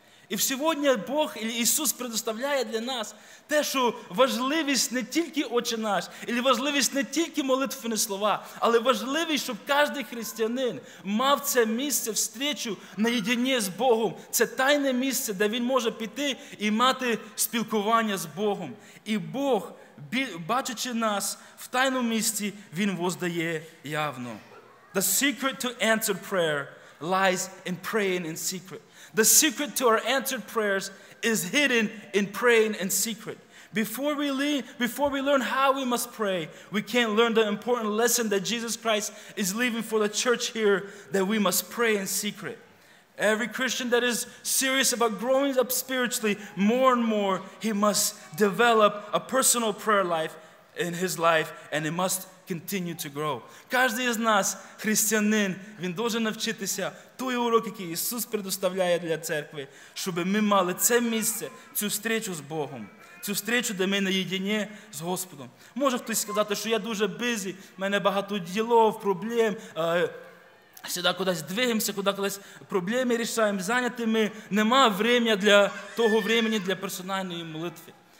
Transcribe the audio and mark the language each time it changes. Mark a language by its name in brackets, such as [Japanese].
[Ukrainian] І сьогодні Бог, Ісус предоставляє для нас те, що важливість не тільки очі наш, і важливість не тільки молитвені слова, але важливість, щоб кожен християнин мав це місце, встречу наєдині з Богом. Це тайне місце, де він може піти і мати спілкування з Богом. І Бог, бачачи нас в тайному місці, він воздає явно. [English] The secret to answered prayer lies in praying in secret. The secret to our answered prayers is hidden in praying in secret. Before we learn how we must pray, we can't learn the important lesson that Jesus Christ is leaving for the church here, that we must pray in secret. Every Christian that is serious about growing up spiritually, more and more, he must develop a personal prayer life in his life, and it must continue to grow. [Ukrainian] Кожен із нас, християнин, він должен навчитися той урок, який Ісус предоставляє для церкви, щоб ми мали це місце, цю встречу з Богом, цю встречу, де ми наєдині з Господом. Може хтось сказати, що я дуже бізі, в мене багато ділов, проблем, завжди кудись двигаємося, кудись проблеми рішаємо, зайняті ми, нема времени для того времени для персональної молитви.